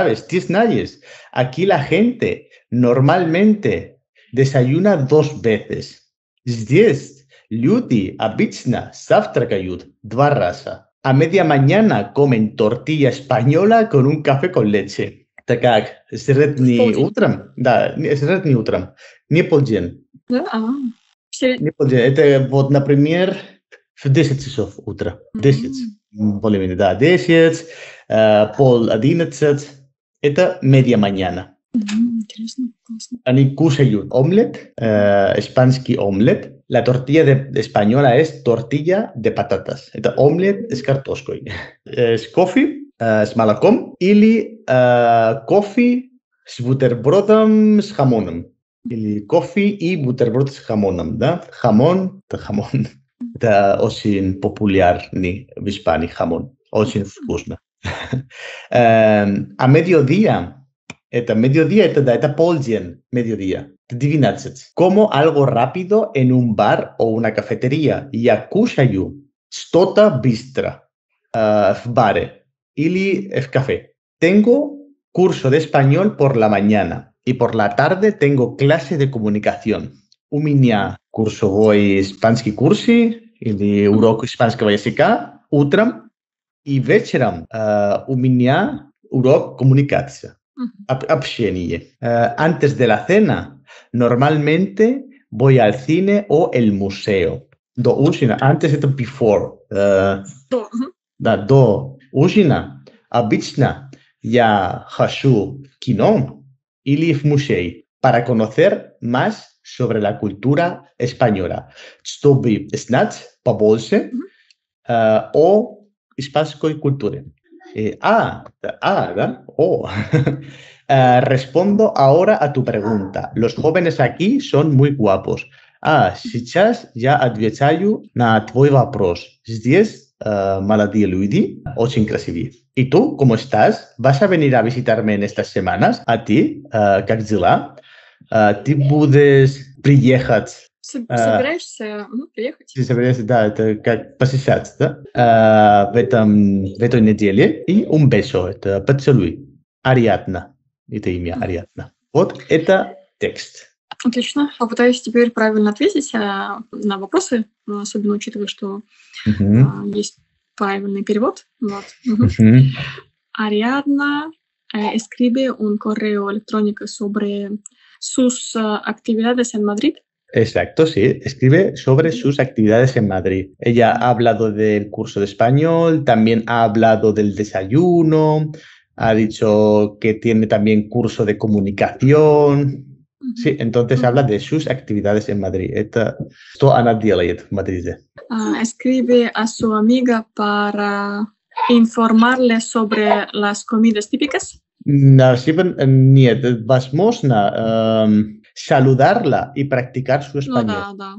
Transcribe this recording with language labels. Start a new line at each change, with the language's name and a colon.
Russian: Ты знаешь,
Spanish: aquí la gente normalmente desayuna dos veces.
Russian: Здесь люди обычно завтракают два раза.
Spanish: А media mañana comen tortilla española con un café con leche.
Russian: Так как, средний утром. Не полдень. Не полдень. Это вот, например, в 10 часов утра. 10. Более-менее, да. 10, пол 11. Это media mañana. Интересно, классно. Они кушают омлет, испанский омлет.
Spanish: La tortilla española es tortilla de patatas.
Russian: Это омлет с картошкой. Es coffee, с молоком. Или coffee с бутербродом с хамоном. Или coffee и бутерброд с хамоном. Да? Хамон, это хамон. Это очень популярный в Испании хамон. Очень вкусно. А mediodía... Это mediodía, это полдень, mediodía, 12.
Spanish: Como algo rápido en un bar o una cafetería.
Russian: Я кушаю что-то быстро в баре или в кафе.
Spanish: Tengo curso de español por la mañana y por la tarde tengo clase de comunicación.
Russian: У меня curso voy испанский курси или урок испанского языка утром и вечером у меня урок коммуникации. Общение.
Spanish: Antes de la cena, normalmente voy al cine o el museo.
Russian: До ужина. Antes это before. Да, до ужина. Обычно я хожу в кино или в музей.
Spanish: Para conocer más sobre la cultura española.
Russian: Чтобы знать побольше о испанской культуре.
Spanish: Respondo ahora a tu pregunta. Los jóvenes aquí son muy guapos.
Russian: Сейчас я отвечаю на твой вопрос. Здесь молодые люди очень красивые.
Spanish: ¿Y tú cómo estás? ¿Vas a venir a visitarme en estas semanas? ¿A ti?
Russian: ¿Как дела? ¿Ты будешь приехать? Собираешься приехать? Да, это как посещать, да? В этой неделе. И
Spanish: un beso,
Russian: это поцелуй. Ариадна. Это имя Ариадна. Вот это текст. Отлично. А пытаюсь теперь правильно ответить на вопросы, особенно учитывая, что есть правильный перевод. Вот.
Spanish: Ариадна escribe un correo electrónico sobre sus actividades en Madrid. Exacto, sí. Escribe sobre sus actividades en Madrid. Ella ha hablado del curso de español, también ha hablado del desayuno, ha dicho que tiene también curso de comunicación. Sí, entonces habla de sus actividades en Madrid. Esto
Russian: она делает в Мадриде.
Spanish: Escribe a su amiga para informarle sobre las comidas típicas.
Russian: Нет, возможно...
Spanish: Saludarla y practicar su español.